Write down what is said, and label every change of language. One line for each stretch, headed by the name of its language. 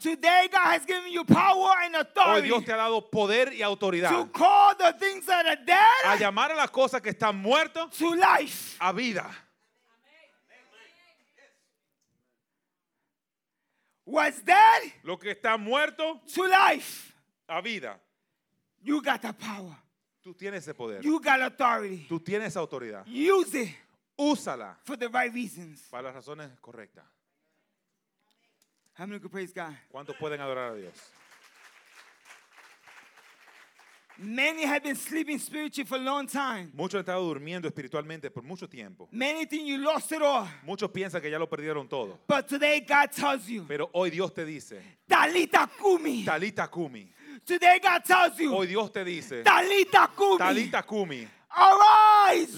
English: Today God has given you power and authority.
Spanish: Hoy Dios te ha dado poder y autoridad.
English: To call the things that are dead.
Spanish: A llamar a las cosas que están muertas.
English: To life.
Spanish: A vida.
English: What's dead?
Spanish: Lo que está muerto.
English: To life.
Spanish: A vida.
English: You got the power.
Spanish: Tú tienes ese poder.
English: You got authority.
Spanish: Tú tienes esa autoridad.
English: Use it.
Spanish: Úsala.
English: For the right reasons.
Spanish: Para las razones correctas.
English: How many can praise God?
Spanish: ¿Cuántos pueden adorar a Dios?
English: Many have been sleeping spiritually for a long time.
Spanish: Muchos han estado durmiendo espiritualmente por mucho tiempo.
English: Many think you lost it all.
Spanish: Muchos piensan que ya lo perdieron todo.
English: But today God tells you.
Spanish: Pero hoy Dios te dice.
Aramaic: Talita kumi. Talita kumi.
English: Today God tells you.
Spanish: Hoy Dios te dice.
Aramaic: Talita kumi. Talita kumi.
English: Arise.